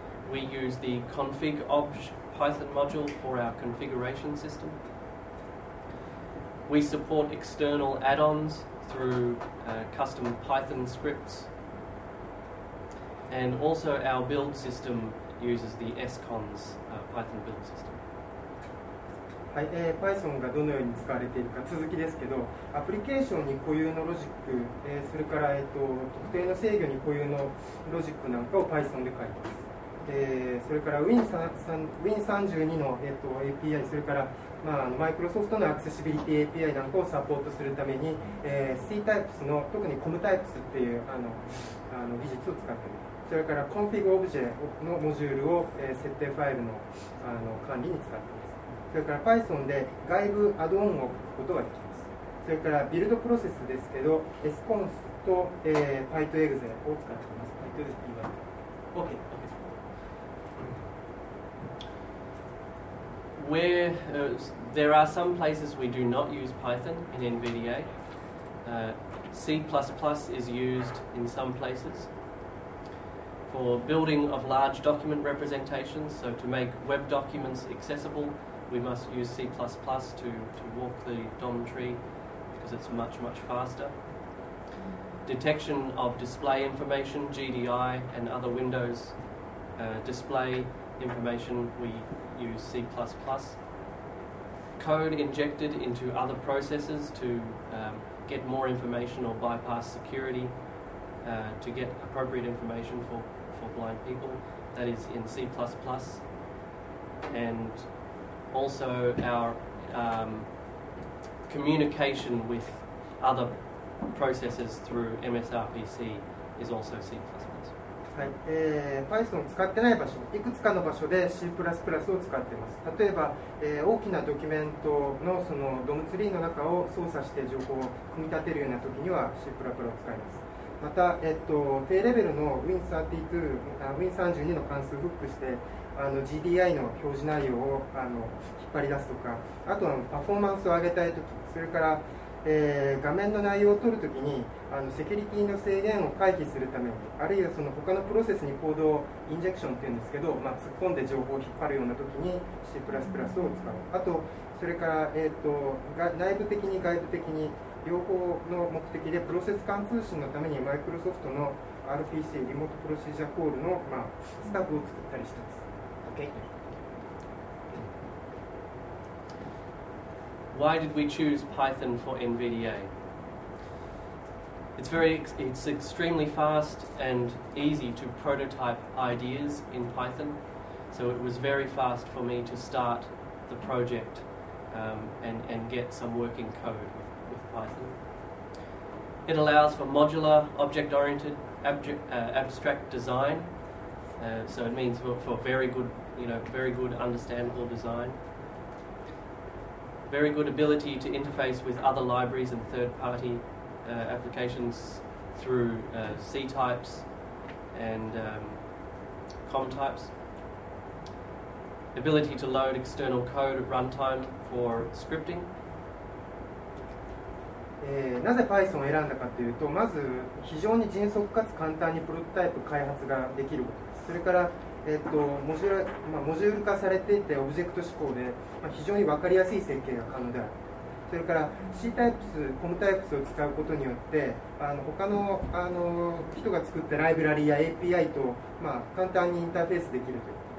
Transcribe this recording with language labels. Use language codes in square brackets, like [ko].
[en] We use the config-obj Python module for our configuration system. We support external add-ons through custom Python scripts. And also our build system uses the SCONS Python build system. [ja] はい、Python がどのように使われているか続きですけど、アプリケーションに固有のロジック、それから、特定の制御に固有のロジックなんかを Python で書いています。それから Win32 の、API、それからマイクロソフトのアクセシビリティ API なんかをサポートするために、C-types の特に COM-types っていう技術を使っている。それから ConfigObject のモジュールを、設定ファイル の管理に使っています。それから Python で外部アドオンを書くことができます。それからビルドプロセスですけど、SCONS と、PyTorexe を使っています。 PyTorexe は OK。 [en] Where there are some places we do not use Python in NVDA. C++ is used in some places for building of large document representations. So to make web documents accessible, we must use C++ to walk the DOM tree because it's much, much faster. Detection of display information, GDI, and other Windows display information, we use C++. Code injected into other processes to get more information or bypass security to get appropriate information for blind people. That is in C++. And also our communication with other processes through MSRPC is also C++. [ja] Python 使ってない場所、いくつかの場所で C++ を使ってます。例えば、大きなドキュメントのそのドムツリーの中を操作して情報を組み立てるような時には C++ を使います。また、低レベルの Win32 の関数をフックして、GDI の表示内容を引っ張り出すとか、あとはパフォーマンスを上げたいとき、それから、画面の内容を取るときにセキュリティの制限を回避するために、あるいはその他のプロセスにコードをインジェクションっていうんですけど、突っ込んで情報を引っ張るようなときに C++ を使う。あとそれから、内部的に外部的に両方の目的でプロセス間通信のためにマイクロソフトの RPC リモートプロシージャーコールの、スタブを作ったりしています。 [en] Why did we choose Python for NVDA? It's extremely fast and easy to prototype ideas in Python, so it was very fast for me to start the project and get some working code with Python. It allows for modular, object-oriented, abstract design, so it means for very good, very good understandable design. Very good ability to interface with other libraries and third-party applications through C types and COM types. Ability to load external code at runtime for scripting. [ja] なぜ Python を選んだかというと、まず非常に迅速かつ簡単にプロトタイプ開発ができることです。それからモジュール化されていてオブジェクト指向で、非常に分かりやすい設計が可能である。それから C タイプス、コムタイプスを使うことによって他の人が作ったライブラリや API と、簡単にインターフェースできるという。